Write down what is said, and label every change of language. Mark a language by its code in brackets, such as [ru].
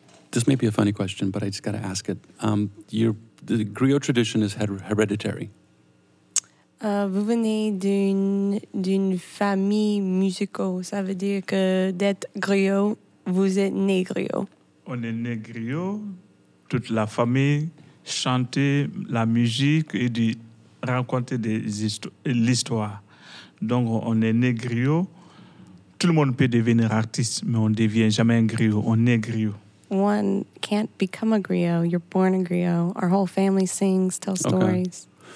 [en] This may be a funny question, but I just got to ask it. The griot tradition is hereditary. [fr] Vous venez d'une famille musicale. Ça veut dire que d'être griot, vous êtes né griot. On est né griot. Toute la famille chante la musique et dit rencontrer l'histoire. Donc, on est né griot. Tout le monde peut devenir artiste, mais on ne devient jamais un griot. On est griot. [en] One can't become a griot. You're born a griot. Our whole family sings, tells stories.